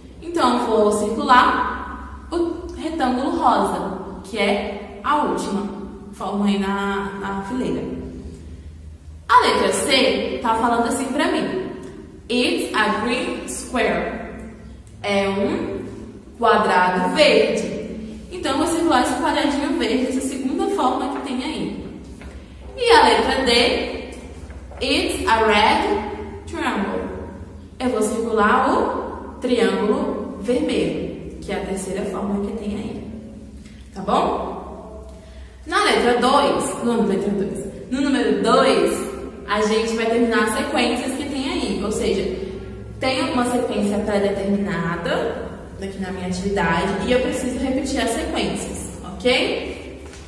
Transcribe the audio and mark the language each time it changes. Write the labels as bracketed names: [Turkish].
[Portuguese] Então, vou circular o retângulo rosa, que é a última forma aí na fileira. A letra C tá falando assim pra mim: [English] it's a green square. [Portuguese] É um quadrado verde. Então, você vai esse quadradinho verde, essa segunda forma que tem aí. E a letra D, [English] it's a red triangle. [Portuguese] Eu vou circular o triângulo vermelho, que é a terceira forma que tem aí. Tá bom? Na letra 2, no número 2, a gente vai terminar as sequências que tem aí. Ou seja, tem uma sequência pré-determinada aqui na minha atividade e eu preciso repetir as sequências, ok?